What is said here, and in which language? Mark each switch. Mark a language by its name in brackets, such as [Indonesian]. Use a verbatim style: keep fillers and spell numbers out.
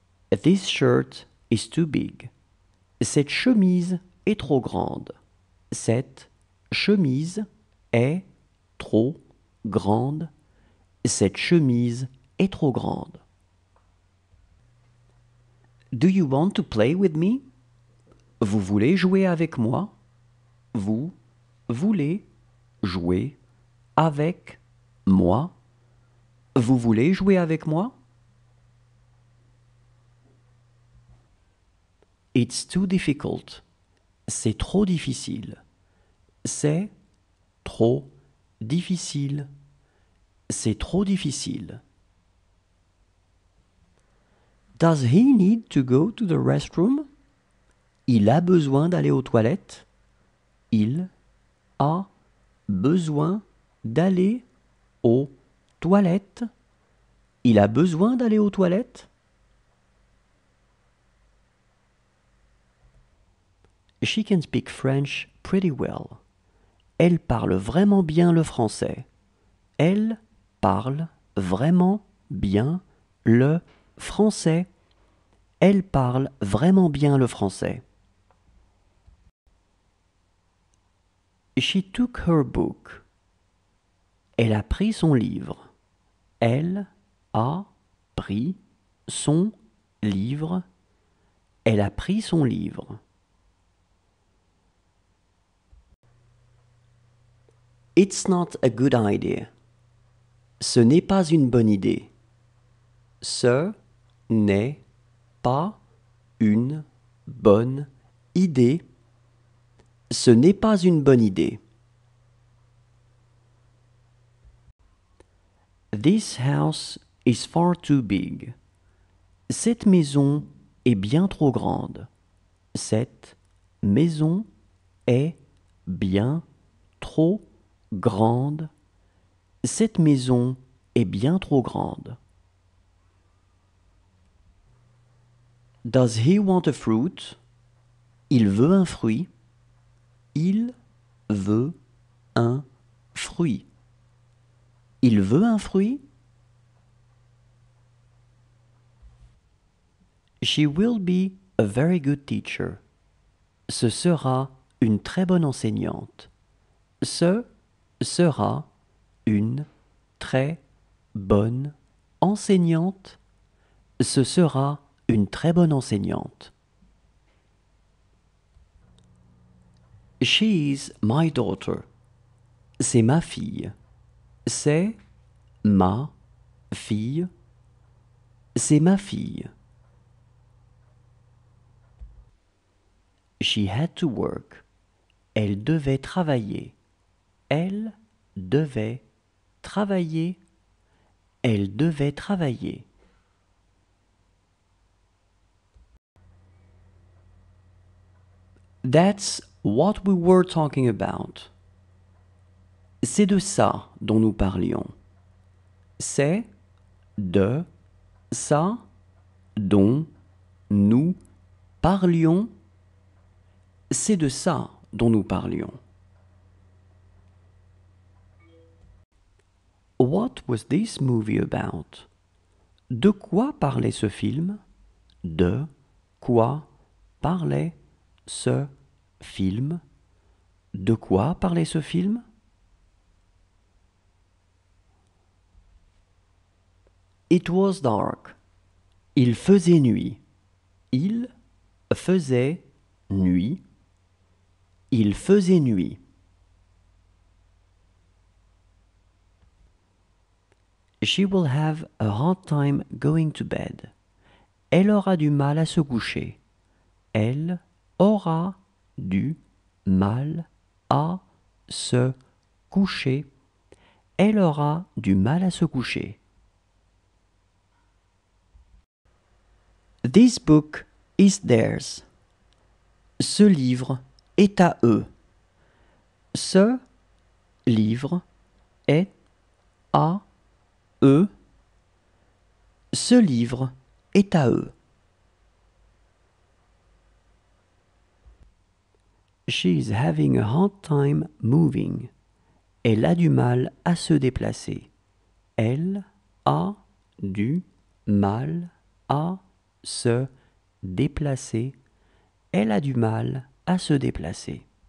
[English] This shirt is too big. [French] Cette chemise est trop grande. Cette chemise est trop grande. Cette chemise est trop grande. [English] Do you want to play with me? [French] Vous voulez jouer avec moi? Vous voulez jouer avec moi? Vous voulez jouer avec moi? [English] It's too difficult. [French] C'est trop difficile. C'est trop difficile. C'est trop difficile. [English] Does he need to go to the restroom? [French] Il a besoin d'aller aux toilettes. Il a besoin d'aller aux toilettes. Il a besoin d'aller aux toilettes. [English] She can speak French pretty well. [French] Elle parle vraiment bien le français. Elle parle vraiment bien le français. Elle parle vraiment bien le français. [English] She took her book. [French] Elle a pris son livre. Elle a pris son livre. Elle a pris son livre. [English] It's not a good idea. [French] Ce n'est pas une bonne idée. Ce n'est pas une bonne idée. Ce n'est pas une bonne idée. [English] This house is far too big. [French] Cette maison est bien trop grande. Cette maison est bien trop grande. Grande. Cette maison est bien trop grande. [English] Does he want a fruit? [French] Il veut un fruit. Il veut un fruit. Il veut un fruit. [English] She will be a very good teacher. [French] Ce sera une très bonne enseignante. Ce sera une très bonne enseignante. Ce sera une très bonne enseignante. [English] She is my daughter. [French] C'est ma fille. C'est ma fille. C'est ma fille. [English] She had to work. [French] Elle devait travailler. Elle devait travailler. Elle devait travailler. [English] That's what we were talking about. [French] C'est de ça dont nous parlions. C'est de ça dont nous parlions. C'est de ça dont nous parlions. [English] What was this movie about? [French] De quoi parlait ce film? De quoi parlait ce film? De quoi parlait ce film? [English] It was dark. [French] Il faisait nuit. Il faisait nuit. Il faisait nuit. [English] She will have a hard time going to bed. [French] Elle aura du mal à se coucher. Elle aura du mal à se coucher. Elle aura du mal à se coucher. [English] This book is theirs. [French] Ce livre est à eux. Ce livre, est, à, eux. Ce livre est à eux. [English] She's having a hard time moving. [French] Elle a du mal à se déplacer. Elle a du mal à se déplacer. Elle a du mal à se déplacer.